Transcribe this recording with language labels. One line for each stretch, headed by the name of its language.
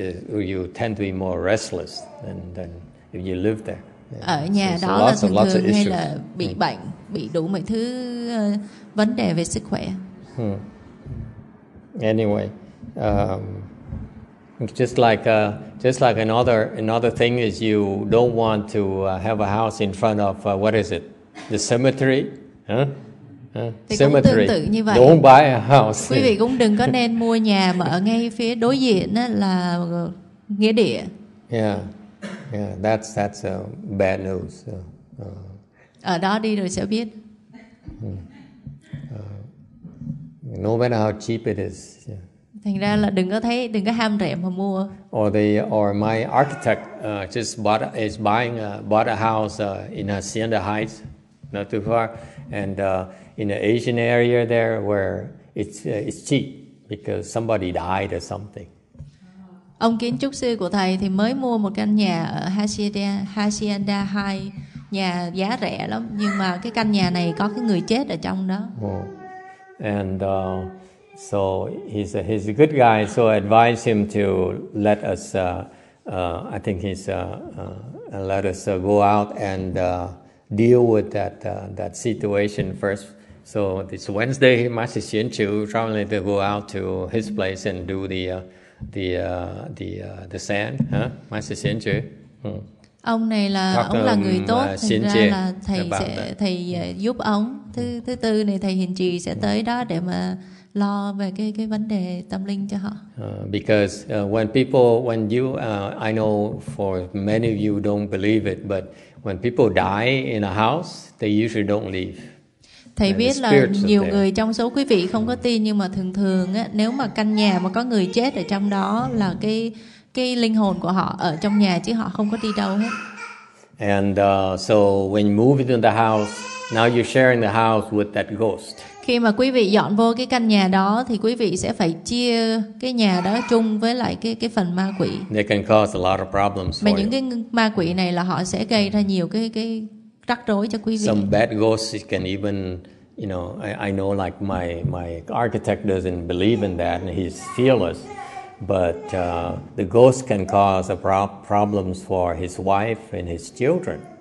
English: You tend to be more restless than if you live there.
Vietnamese: Ở nhà so, đó so là lots, thường thường hay là bị bệnh, bị đủ mọi thứ vấn đề về sức khỏe.
English: Anyway, just like another thing is you don't want to have a house in front of what is it, the cemetery,
Vietnamese: cemetery. Tương tự như vậy.
English: Don't buy a house.
Vietnamese: Quý vị cũng đừng có nên mua nhà mà ở ngay phía đối diện đó là nghĩa địa.
English: Yeah, that's bad news.
Vietnamese: Ở đó đi rồi sẽ biết.
English: No matter how cheap it is. Yeah.
Vietnamese: Thành ra là đừng có ham rẻ mà mua.
English: Or my architect bought a house in Hacienda Heights, not too far, and in the Asian area there where it's cheap because somebody died or something.
Vietnamese: Ông kiến trúc sư của thầy thì mới mua một căn nhà ở Hacienda Heights, nhà giá rẻ lắm, nhưng mà cái căn nhà này có cái người chết ở trong đó.
English: So he's a good guy, so I advise him to let us go out and deal with that situation first. So this Wednesday Master Xian Chu probably to go out to his place and do the sand, huh? Master Xian Chu.
Vietnamese: Ông này là ông là người tốt, thành ra là thầy sẽ giúp ông. Thứ tư này thầy Hiền Trì sẽ tới đó để mà lo về cái vấn đề tâm linh cho họ.
English: I know for many of you don't believe it, but when people die in a house, they usually don't leave.
Vietnamese: Thầy and biết là nhiều người trong số quý vị không có tin, nhưng mà thường thường á, nếu mà căn nhà mà có người chết ở trong đó là cái linh hồn của họ ở trong nhà chứ họ không có đi đâu hết.
English: And so when you move into the house, now you're sharing the house with that ghost.
Vietnamese: Khi mà quý vị dọn vô cái căn nhà đó thì quý vị sẽ phải chia cái nhà đó chung với lại cái phần ma quỷ.
English: They can cause a lot of problems for you.
Vietnamese: Mà những cái ma quỷ này là họ sẽ gây ra nhiều cái rắc rối cho quý vị.
English: Some bad ghosts can even, you know, I know like my architect doesn't believe in that and he's fearless. But the ghost can cause a problems for his wife and his children.